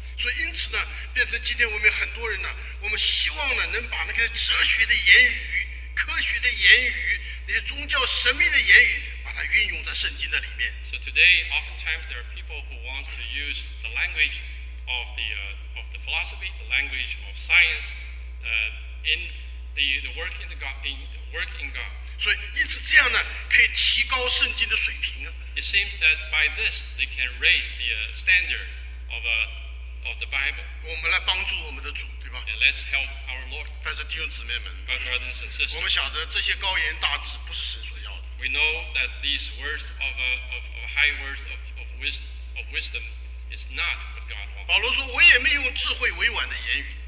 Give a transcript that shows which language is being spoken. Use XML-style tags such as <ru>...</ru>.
<zh>所以因此呢，变成今天我们很多人呢，我们希望呢能把那个哲学的言语、科学的言语。那些宗教神秘的言语，把它运用在圣经的里面。</zh> <en>So today, oftentimes there are people who want to use the language of the philosophy, the language of science, in the work in the God, in work in God.</en> <zh>所以，因此这样呢，可以提高圣经的水平啊。</zh> <en>It seems that by this they can raise the standard of the Bible.</en> <zh>我们来帮助我们的主。</zh> <en>And let's help our Lord.</en> <zh>但是弟兄姊妹们，</zh> <en>But brothers and sisters,</en> <zh>我们晓得这些高言大智不是神所要的。</zh> <en>We know that these words of high words of wisdom is not what God wants.</en> <zh>保罗说，我也没用智慧委婉的言语。</zh>